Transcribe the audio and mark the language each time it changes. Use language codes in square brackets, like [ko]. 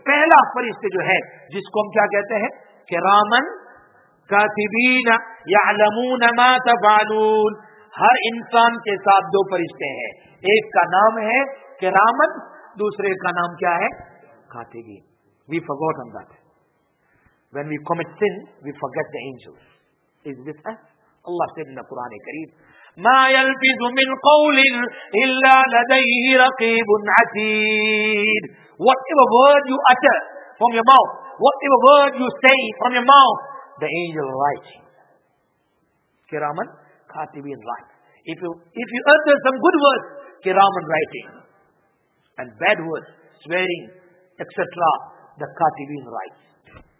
[ur] پہلا فرشتے جو ہے جس کو ہم کیا کہتے ہیں، کراما کاتبین [ar] یعلمون ما تفعلون۔ [ur] ہر انسان کے ساتھ دو فرشتے ہیں، ایک کا نام ہے کراما، دوسرے کا نام کیا ہے؟ کاتبین۔ [en] We forgot on that. When we commit sin, we forget the angels. Is this us? Allah said in the Quran Kareem, [ar] ما يلفظ من قول إلا لديه رقيب عتيد. [en] Whatever word you utter from your mouth, whatever word you say from your mouth, the angel writes. Kiraman, Katibin writes. If you utter some good words, Kiraman writing. And bad words, swearing, etc., the Katibin writes.